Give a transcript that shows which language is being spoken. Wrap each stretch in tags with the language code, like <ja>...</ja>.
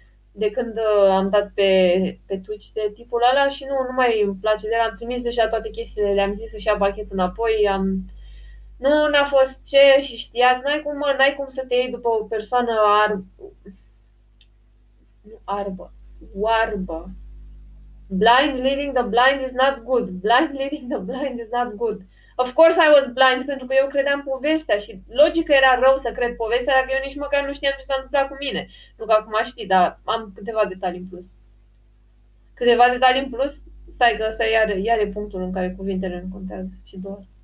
<ro>De când am dat pe Twitch de tipul ăla și nu mai îmi place de el. Am trimis deja toate chestiile, le-am zis să-și ia pachetul înapoi, am... Nu, n-a fost ce și știați, n-ai cum să te iei după o persoană arbă, oarbă.</ro> <en>Blind leading the blind is not good. Blind leading the blind is not good. Of course I was blind,</en> <ro>pentru că eu credeam povestea și logică era rău să cred povestea dacă eu nici măcar nu știam ce s-a întâmplat cu mine. Nu că acum știi, dar am câteva detalii în plus. Câteva detalii în plus? Stai că ăsta iar e punctul în care cuvintele nu contează și doar.</ro>